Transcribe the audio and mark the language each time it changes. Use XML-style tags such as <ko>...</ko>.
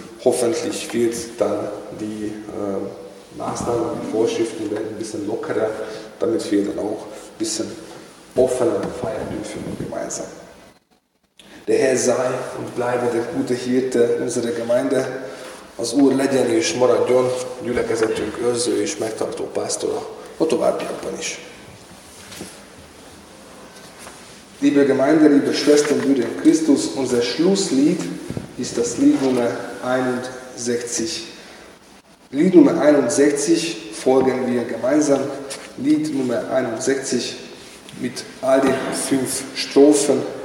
<de>Hoffentlich wird dann die Maßnahmen, die Vorschriften werden ein bisschen lockerer, damit wir dann auch ein bisschen offener feiern dürfen gemeinsam. Der Herr sei und bleibe der gute Hirte unserer Gemeinde</de> <hu>az Úr legyen és maradjon gyülekezetünk őrző és megtartó pásztora a továbbiakban is.</hu> <de>Liebe Gemeinde, liebe Schwestern, Brüder in Christus, unser Schlusslied ist das Lied Nummer 61. Lied Nummer 61 folgen wir gemeinsam. Lied Nummer 61 mit all den 5 Strophen.</de>